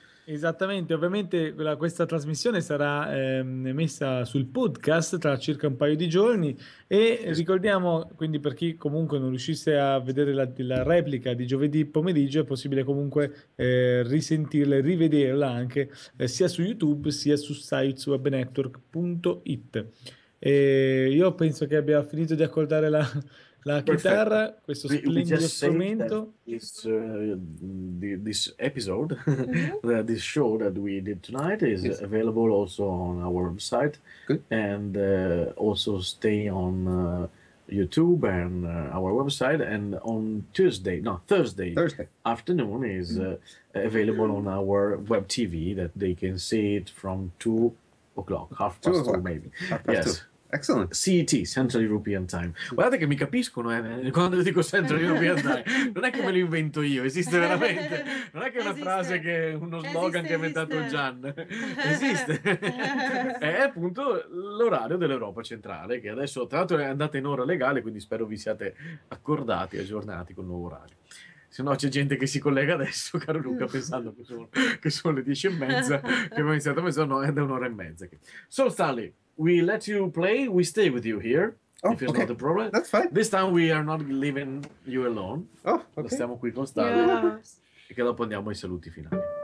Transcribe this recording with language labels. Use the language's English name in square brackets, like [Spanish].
[Italian] Esattamente, ovviamente questa trasmissione sarà messa sul podcast tra circa un paio di giorni, e ricordiamo, quindi, per chi comunque non riuscisse a vedere la replica di giovedì pomeriggio, è possibile comunque risentirla e rivederla anche sia su YouTube sia su siteswebnetwork.it. Io penso che abbia finito di accordare la chitarra, perfetto. Questo splendido strumento. [English] This episode, this show that we did tonight is available also on our website. Good. And also stay on YouTube and our website, and on Thursday afternoon is available on our web TV, that they can see it from 2 o'clock, half past 2 maybe. Half past 2. Excellent. CET, Central European Time. [Italian] Guardate che mi capiscono, quando dico Central European Time, non è che me lo invento io, esiste veramente. Non è che è una frase, che uno slogan esiste, che ha inventato Gian. Esiste. È appunto l'orario dell'Europa centrale, che adesso tra l'altro è andata in ora legale, quindi spero vi siate accordati, aggiornati con il nuovo orario. Se no c'è gente che si collega adesso, caro Luca, pensando che sono le 10:30, che abbiamo iniziato a mezz'ora, no, è da un'ora e mezza. [English] So Stanley, we let you play, we stay with you here, if it's not a problem. That's fine. This time we are not leaving you alone. Oh, okay. [Italian] Stiamo qui con Stanley e che dopo andiamo ai saluti finali.